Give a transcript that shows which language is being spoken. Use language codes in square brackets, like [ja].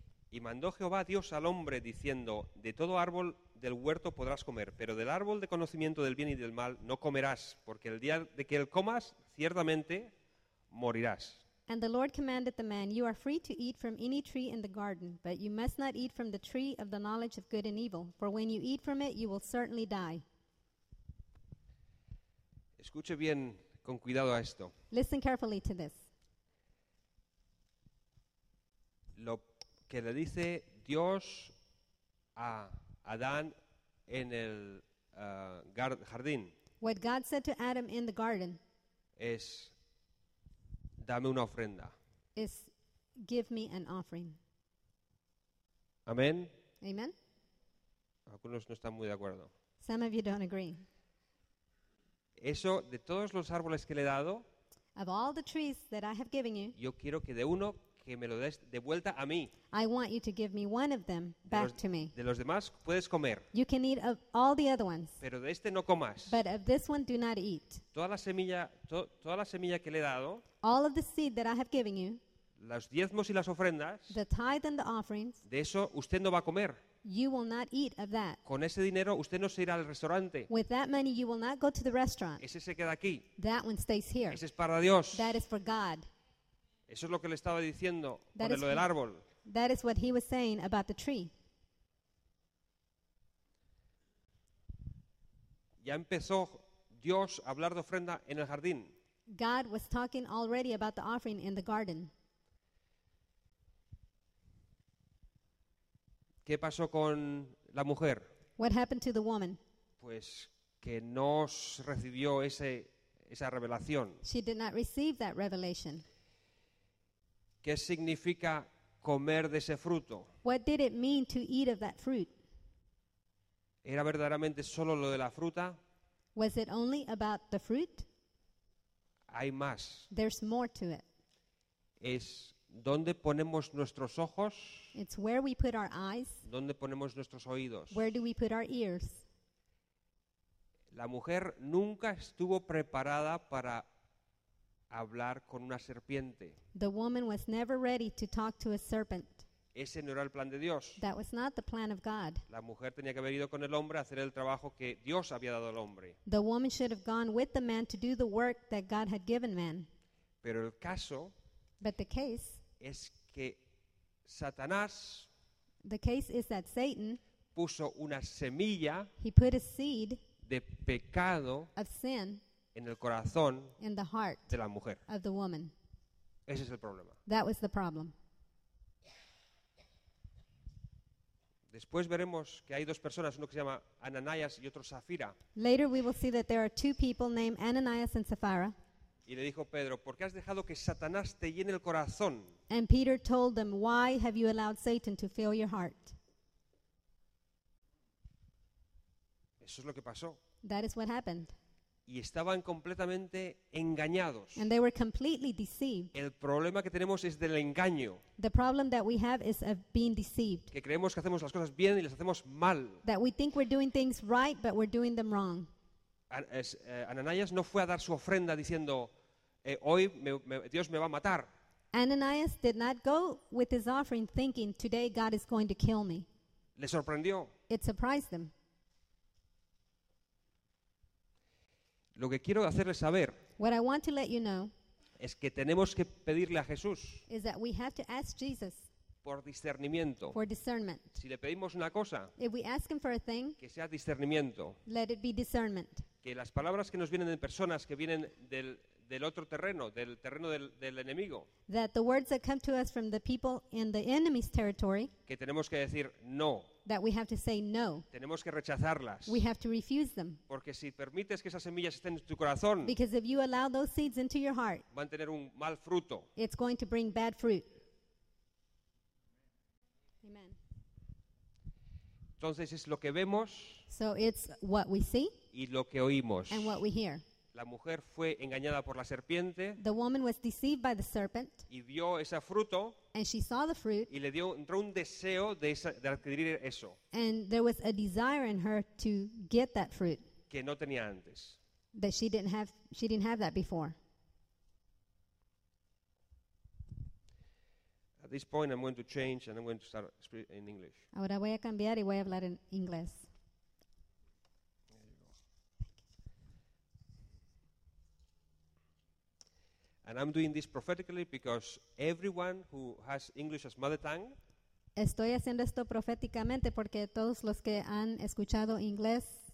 [es] Y mandó Jehová Dios al hombre diciendo, de todo árbol del huerto podrás comer, pero del árbol de conocimiento del bien y del mal no comerás, porque el día de que él comas, ciertamente morirás. [en] And the Lord commanded the man, you are free to eat from any tree in the garden, but you must not eat from the tree of the knowledge of good and evil, for when you eat from it, you will certainly die. [es] Escuche bien con cuidado a esto. [en] Listen carefully to this. [es] Lo que le dice Dios a Adán en el jardín. [en] What God said to Adam in the garden [es] is, dame una ofrenda. [en] Is, give me an offering. [es] Amén. [en] Amen. [es] Algunos no están muy de acuerdo. [en] Some of you don't agree. [es] Eso, de todos los árboles que le he dado, [en] of all the trees that I have given you, [es] yo quiero que de uno que me lo des de vuelta a mí. [en] I want you to give me one of them back to me. [es] De los demás puedes comer. [en] You can eat of all the other ones. [es] Pero de este no comas. [en] But of this one do not eat. [es] Toda la semilla que le he dado. [en] All of the seed that I have given you. [es] Los diezmos y las ofrendas. [en] The tithe and the offerings. [es] De eso usted no va a comer. [en] You will not eat of that. [es] Con ese dinero usted no se irá al restaurante. [en] With that money you will not go to the restaurant. [es] Ese se queda aquí. [en] That one stays here. [es] Ese es para Dios. [en] That is for God. [es] Eso es lo que le estaba diciendo con lo del árbol. [en] That is what he was saying about the tree. [es] Ya empezó Dios a hablar de ofrenda en el jardín. [en] God was talking already about the offering in the garden. [es] ¿Qué pasó con la mujer? [en] What happened to the woman? [es] Pues que no recibió esa revelación. [en] She did not receive that revelation. [es] ¿Qué significa comer de ese fruto? [en] What did it mean to eat of that fruit? [es] ¿Era verdaderamente solo lo de la fruta? [en] Was it only about the fruit? [es] Hay más. [en] There's more to it. [es] Es dónde ponemos nuestros ojos. [en] It's where we put our eyes. [es] Dónde ponemos nuestros oídos. [en] Where do we put our ears? [es] La mujer nunca estuvo preparada para hablar con una serpiente. [en] The woman was never ready to talk to a serpent. [es] Ese no era el plan de Dios. [en] That was not the plan of God. [es] La mujer tenía que haber ido con el hombre a hacer el trabajo que Dios había dado al hombre. [en] The woman should have gone with the man to do the work that God had given man. [es] Pero el caso, [en] but the case, [es] es que Satanás, [en] the case is that Satan, [es] puso una semilla, [en] he put a seed, [es] de pecado, [en] of sin, [es] en el corazón, [en] in the heart, [es] de la mujer, [en] of the woman. [es] Ese es el problema. [en] That was the problem. [es] Después veremos que hay dos personas, uno que se llama Ananías y otro Safira. [en] Later we will see that there are two people named Ananias and Sapphira. [es] Y le dijo Pedro, ¿por qué has dejado que Satanás te llene el corazón? [en] And Peter told them, why have you allowed Satan to fill your heart? [es] Eso es lo que pasó. [en] That is what happened. [es] Y estaban completamente engañados. [en] And they were completely deceived. [es] El problema que tenemos es del engaño. [en] The problem that we have is of being deceived. [es] Que creemos que hacemos las cosas bien y las hacemos mal. [en] That we think we're doing things right, but we're doing them wrong. [es] Ananías no fue a dar su ofrenda diciendo, hoy Dios me va a matar. [en] Ananias did not go with his offering thinking, today God is going to kill me. [es] Le sorprendió. [en] It surprised them. [es] Lo que quiero hacerles saber, [en] what I want to let you know, [es] es que tenemos que pedirle a Jesús, [en] is that we have to ask Jesus, [es] por discernimiento, [en] for discernment. [es] Si le pedimos una cosa, [en] if we ask him for a thing, [es] que sea discernimiento, [en] let it be discernment. [es] Que las palabras que nos vienen de personas que vienen del otro terreno, del terreno del enemigo, [en] that the words that come to us from the people in the enemy's territory, [es] que tenemos que decir no, [en] that we have to say no. [es] Tenemos que rechazarlas. [en] We have to refuse them. [es] Porque si permites que esas semillas estén en tu corazón, [en] because if you allow those seeds into your heart, [es] van a tener un mal fruto. [en] It's going to bring bad fruit. Amen. [es] Entonces es lo que vemos. [en] So it's what we see. [es] Y lo que oímos. [en] And what we hear. [es] La mujer fue engañada por la serpiente. [en] The woman was deceived by the serpent. [es] Y vio ese fruto. [en] And she saw the fruit. [es] Y le dio, entró un deseo de adquirir eso. [en] And there was a desire in her to get that fruit. [es] Que no tenía antes. [en] That she didn't have that before. At this point I'm going to change and I'm going to start speaking in English. [es] Ahora voy a cambiar y voy a hablar en inglés. [en] And I'm doing this prophetically because everyone who has English as mother tongue. [es] Estoy haciendo esto proféticamente porque todos los que han escuchado inglés.